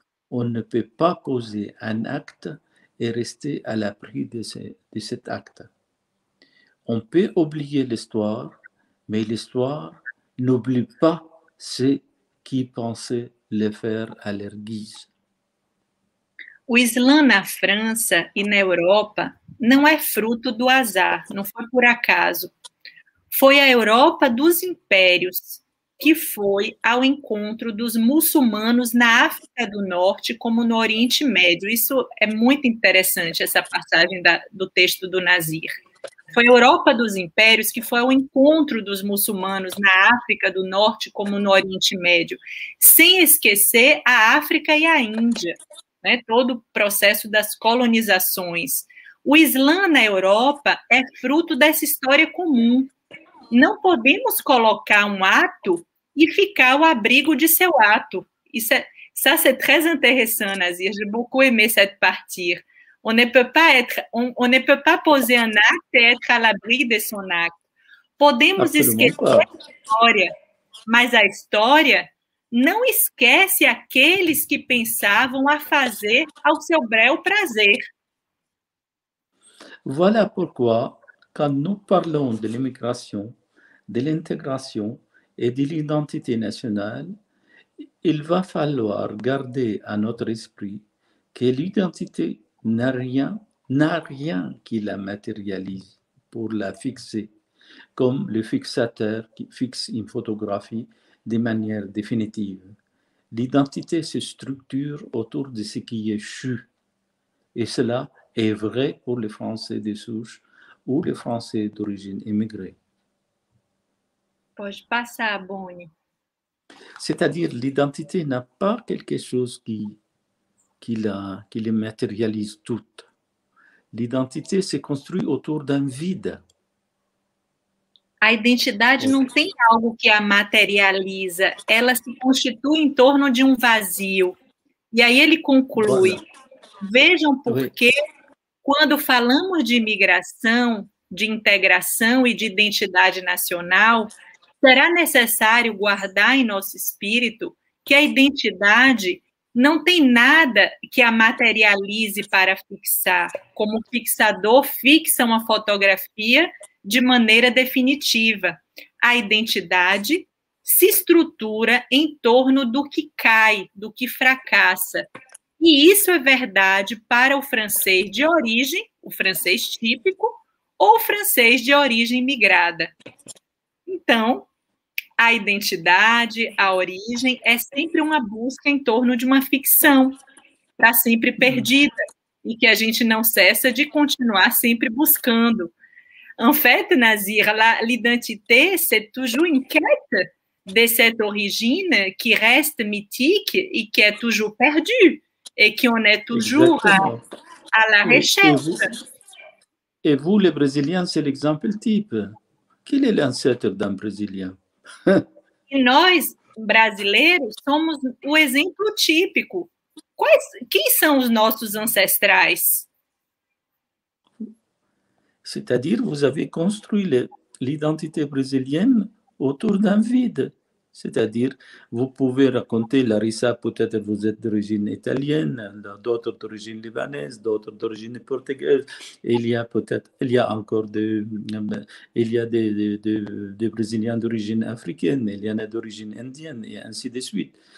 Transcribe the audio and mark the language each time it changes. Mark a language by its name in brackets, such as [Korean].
[French] On ne peut pas causer un acte et rester à l'abri de cet acte. On peut oublier l'histoire, mais l'histoire n'oublie pas ceux qui pensaient le faire à leur guise. [Portuguese] O Islã na França e na Europa não é fruto do azar, não foi por acaso. Foi a Europa dos impérios que foi ao encontro dos muçulmanos na África do Norte como no Oriente Médio. Isso é muito interessante, essa passagem do texto do Nazir. Foi a Europa dos Impérios que foi ao encontro dos muçulmanos na África do Norte como no Oriente Médio, sem esquecer a África e a Índia, né? Todo o processo das colonizações. O Islã na Europa é fruto dessa história comum. Não podemos colocar um ato e ficar ao abrigo de seu ato. Isso é [French] très intéressant, [Portuguese] Nazir. [French] J'ai beaucoup aimé cette partie. On ne peut pas poser un acte et être à l'abri de son acte. [Portuguese] Podemos esquecer a história, mas a história não esquece aqueles que pensavam a fazer ao seu bel prazer. [French] Voilà pourquoi, quand nous parlons de l'immigration, de l'intégration et de l'identité nationale, il va falloir garder à notre esprit que l'identité n'a rien qui la matérialise pour la fixer, comme le fixateur qui fixe une photographie de manière définitive. L'identité se structure autour de ce qui est chu, et cela est vrai pour les Français de souche ou les Français d'origine immigrée. [Portuguese] Pode passar, Boni. [French] C'est-à-dire, l'identité n'a pas quelque chose qui les matérialise toutes. L'identité se construit autour d'un vide. [Portuguese] A identidade não tem algo que a materializa. Ela se constitui em torno de um vazio. E aí ele conclui. [French] Voilà. [Portuguese] Vejam por que, quando falamos de imigração, de integração e de identidade nacional, será necessário guardar em nosso espírito que a identidade não tem nada que a materialize para fixar, como o fixador fixa uma fotografia de maneira definitiva. A identidade se estrutura em torno do que cai, do que fracassa. E isso é verdade para o francês de origem o francês típico ou o francês de origem migrada. Então, a identidade, a origem, é sempre uma busca em torno de uma ficção, está sempre perdida, e que a gente não cessa de continuar sempre buscando. [French] En fait, Nazir, l'identité, c'est toujours une quête de cette origine qui reste mythique et qui est toujours perdue, et qu'on est toujours à la recherche. Et vous, les Brésiliens, c'est l'exemple type. Quel est l'ancêtre d'un Brésilien? [Portuguese] E nós, brasileiros, somos o exemplo típico. Quem são os nossos ancestrais? [French] C'est-à-dire, vous avez construit l'identité brésilienne autour d'un vide. C'est-à-dire, vous pouvez raconter, Larissa, peut-être vous êtes d'origine italienne, d'autres d'origine libanaise, d'autres d'origine portugaise. Il y a peut-être, il y a encore des Brésiliens d'origine africaine, il y en a d'origine indienne, et ainsi de suite.